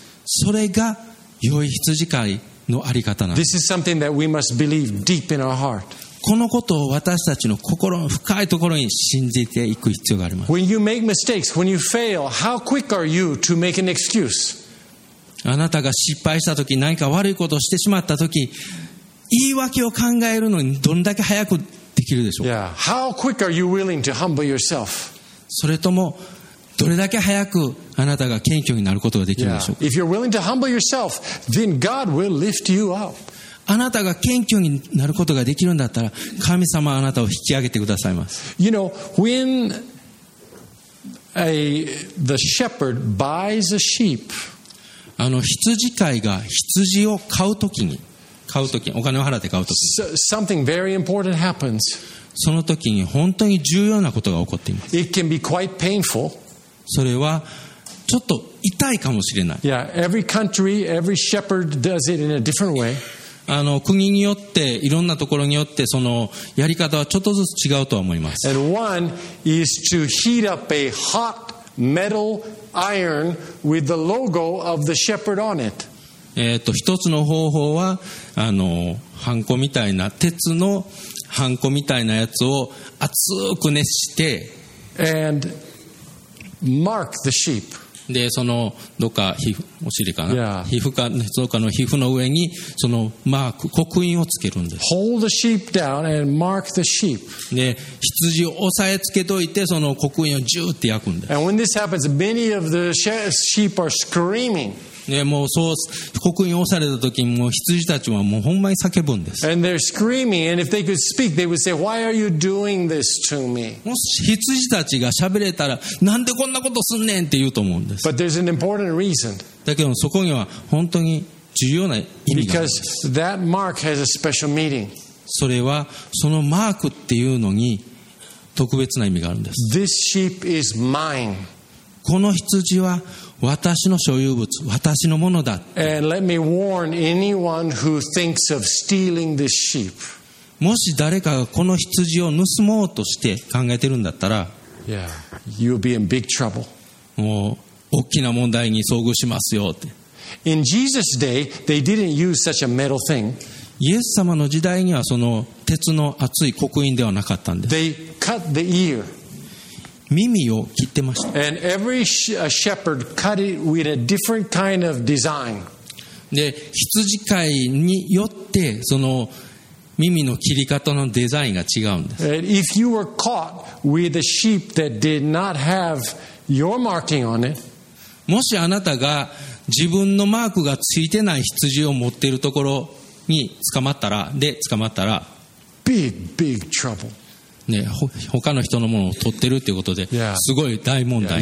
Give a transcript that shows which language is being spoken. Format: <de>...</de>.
<ja>それが良い羊飼いのあり方なんです。</ja> <en>This is something that we must believe deep in our heart.</en> <ja>このことを私たちの心の深いところに信じていく必要があります。</ja> <en>When you make mistakes, when you fail, how quick are you to make an excuse?</en> <ja>あなたが失敗したとき、何か悪いことをしてしまったとき、言い訳を考えるのにどんだけ早くできるでしょうか。</ja> <en>Yeah. How quick are you willing to humble yourself?</en> <ja>それともどれだけ早くあなたが謙虚になることができるでしょうか。</ja> <en>If you're willing to humble yourself, then God will lift you up.</en> <ja>あなたが謙虚になることができるんだったら神様はあなたを引き上げてくださいます。</ja> <en>You know, when the shepherd buys a sheep,</en> <ja>羊飼いが羊を買うときに買うとき、お金を払って買うとき、</ja> <en>something very important happens.</en> <ja>その時に本当に重要なことが起こっています。</ja> <en>It can be quite painful.</en> <ja>それはちょっと痛いかもしれない。</ja> <en>Yeah, every country, every shepherd does it in a different way.</en> <ja>国によっていろんなところによってそのやり方はちょっとずつ違うとは思います。</ja> <en>And one is to heat up a hot metal iron with the logo of the shepherd on it.</en> <ja>一つの方法はハンコみたいな鉄のハンコみたいなやつを熱く熱して</ja> <en>And mark the sheep.</en> <ja>でそのどっか皮膚お尻かな、</ja> <en>yeah.</en> <ja>皮膚かどっかの皮膚の上にそのマーク刻印をつけるんです。</ja> <en>Hold the sheep down and mark the sheep.</en> <ja>で羊を押さえつけといてその刻印をジューって焼くんです。</ja> <en>And when this happens, many of the sheep are screaming.</en> <ja>ね、もうそう刻印押された時にもう羊たちはもうほんまに叫ぶんです。</ja> <en>And they're screaming, and if they could speak, they would say, why are you doing this to me?</en> <ja>もし羊たちが喋れたらなんでこんなことすんねんって言うと思うんです。</ja> <en>But there's an important reason.</en> <ja>だけどそこには本当に重要な意味があります。</ja> <en>Because that mark has a special meaning.</en> <ja>それはそのマークっていうのに特別な意味があるんです。</ja> <en>This sheep is mine.</en> <ja>この羊は私の所有物、私のものだ。</ja> <en>And let me warn anyone who thinks of stealing this sheep.</en> <ja>もし誰かがこの羊を盗もうとして考えてるんだったら、</ja> <en>Yeah, you'll be in big trouble.</en> <ja>もう大きな問題に遭遇しますよって。</ja> <en>In Jesus' day, they didn't use such a metal thing.</en> <ja>イエス様の時代にはその鉄の熱い刻印ではなかったんです。</ja> <en>They cut the ear.</en> <ja>耳を切ってました。</ja> <en>And every shepherd cut it with a different kind of design.</en> <ja>で、羊飼いによってその耳の切り方のデザインが違うんです。</ja> <en>And if you were caught with a sheep that did not have your marking on it,</en> <ja>もしあなたが自分のマークがついてない羊を持っているところに捕まったら、で捕まったら、</ja> <en>big big trouble。</en> <ja>ね、他の人のものを取ってるっていうことですごい大問題</ja>